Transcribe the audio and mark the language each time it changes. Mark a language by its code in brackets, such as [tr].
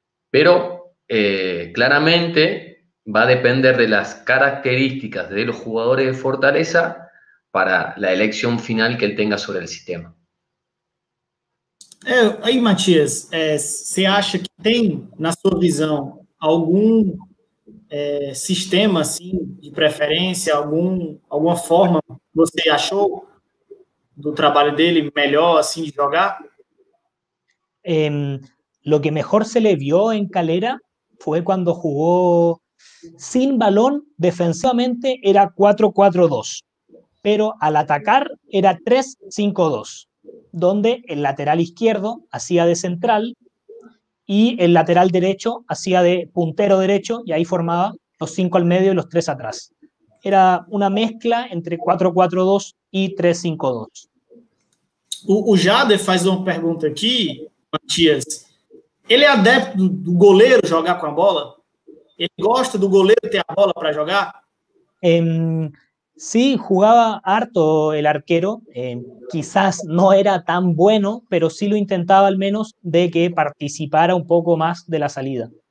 [es] Pero claramente va a depender de las características de los jugadores de Fortaleza para la elección final que él tenga sobre el sistema. [pt] Aí, Matias, você acha que tem, na sua visão, algum sistema, assim, de preferência, alguma forma que você achou do trabalho dele melhor, assim, de jogar? [es] Lo que mejor se le vio en Calera fue cuando jugó sin balón, defensivamente era 4-4-2, pero al atacar era 3-5-2. Donde el lateral izquierdo hacía de central y el lateral derecho hacía de puntero derecho y ahí formaba los cinco al medio y los tres atrás. Era una mezcla entre 4-4-2 y 3-5-2. [pt] O Jader faz uma pergunta aqui, Matias. Ele é adepto do goleiro jogar com a bola? Ele gosta do goleiro ter a bola para jogar? [es] Sí, jugaba harto el arquero, quizás no era tan bueno, pero sí lo intentaba al menos de que participara un poco más de la salida.